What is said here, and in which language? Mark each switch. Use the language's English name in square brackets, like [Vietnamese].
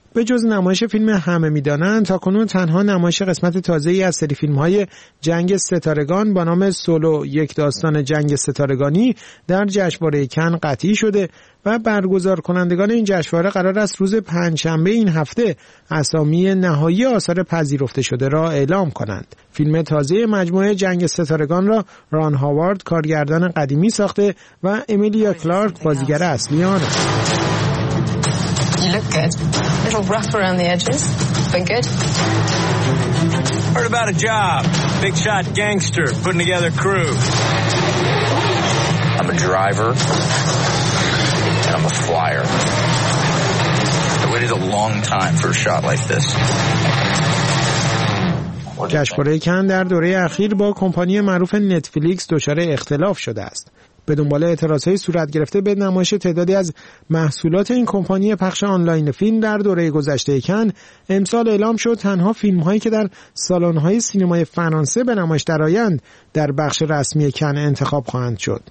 [Persian] به جز نمایش فیلم همه میدانند تا کنون تنها نمایش قسمت تازه‌ای از سری فیلم‌های جنگ ستارگان با نام سولو، یک داستان جنگ ستارگانی در جشنواره کن قطعی شده و برگزار کنندگان این جشنواره قرار است روز پنجشنبه این هفته اسامی نهایی آثار پذیرفته شده را اعلام کنند. فیلم تازه مجموعه جنگ ستارگان را ران هاوارد کارگردان قدیمی ساخته و امیلیا کلارک بازیگر اصلی آن است. [English] You look good. A little rough around the edges, but good. Heard about a job. Big shot gangster putting together crew. I'm a driver. And I'm a flyer. I waited a long time for a shot like this. [Persian] جشنواره کن در دوره اخیر با کمپانی معروف نتفلیکس دچار اختلاف شده است. به دنبال اعتراض‌های صورت گرفته به نمایش تعدادی از محصولات این کمپانی پخش آنلاین فیلم در دوره گذشته کن، امسال اعلام شد تنها فیلم‌هایی که در سالن‌های سینمای فرانسه به نمایش درآیند در بخش رسمی کن انتخاب خواهند شد.